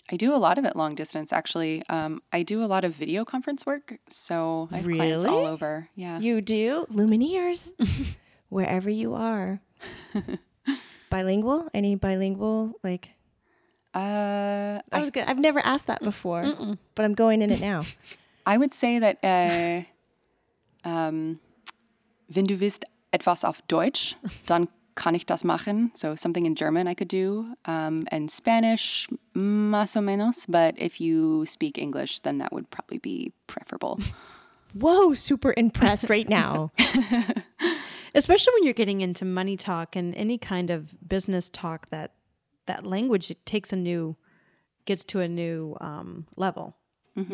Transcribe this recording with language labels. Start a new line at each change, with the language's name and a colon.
English: I do a lot of it long distance, actually. I do a lot of video conference work, so I have really? Clients all over. Yeah, you do? Lumineers, wherever you are. Bilingual? Any bilingual, like? That was good. I've never asked that before, but I'm going in it now. I would say that,
German: wenn du willst etwas auf Deutsch, dann kann ich das machen.
English: So something in German I could do, and Spanish,
Spanish: más o menos.
English: But if you speak English, then that would probably be preferable. Whoa, super impressed right now. Especially when you're getting into money talk and any kind of business talk, that language gets to a new level, mm-hmm.